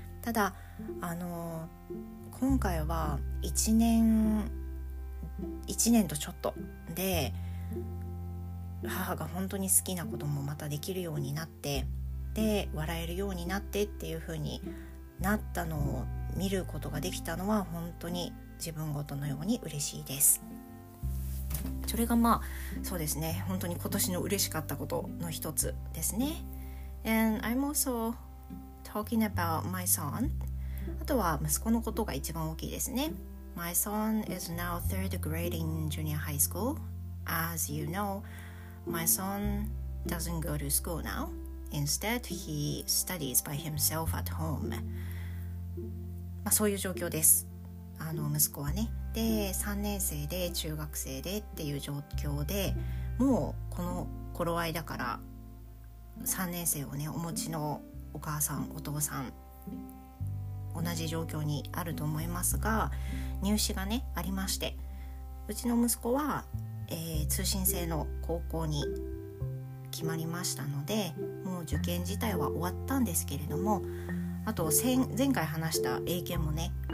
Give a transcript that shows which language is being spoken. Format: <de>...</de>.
<ja>ただ今回は1年とちょっとで、母が本当に好きなこともまたできるようになって、で笑えるようになってっていう風になったのを見ることができたのは本当に自分ごとのように嬉しいです。それがまあそうですね、本当に今年の嬉しかったことの一つですね。</ja> <en>And I'm also talking about my son。</en> <ja>あとは息子のことが一番大きいですね。</ja> <en>My son is now third grade in junior high school. As you know, my son doesn't go to school now. Instead, he studies by himself at home.</en> <ja>まあそういう状況です、息子はね。で、3年生で中学生でっていう状況で、もうこの頃合いだから3年生をねお持ちのお母さんお父さん同じ状況にあると思いますが、入試がねありまして、うちの息子は、通信制の高校に決まりましたので、もう受験自体は終わったんですけれども、あと前回話した英検もね</ja>